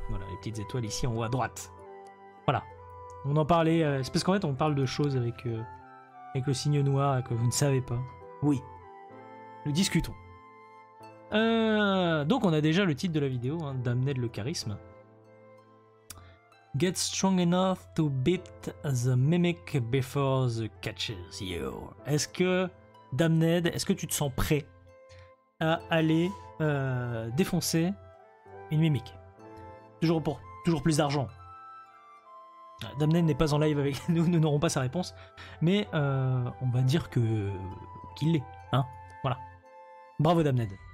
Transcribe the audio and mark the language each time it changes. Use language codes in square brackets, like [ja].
[fr] Voilà, les petites étoiles ici en haut à droite. Voilà. On en parlait. C'est parce qu'en fait, on parle de choses avec. Avec le signe noir et que vous ne savez pas. Oui. Nous discutons. Donc on a déjà le titre de la vidéo, hein, Damned le charisme. [en] Get strong enough to beat the mimic before the catches you. [fr] Est-ce que, Damned, est-ce que tu te sens prêt à aller défoncer une mimic? Toujours pour toujours plus d'argent. Damned n'est pas en live avec nous, nous n'aurons pas sa réponse. Mais on va dire qu'il l'est, hein? Voilà. Bravo Damned.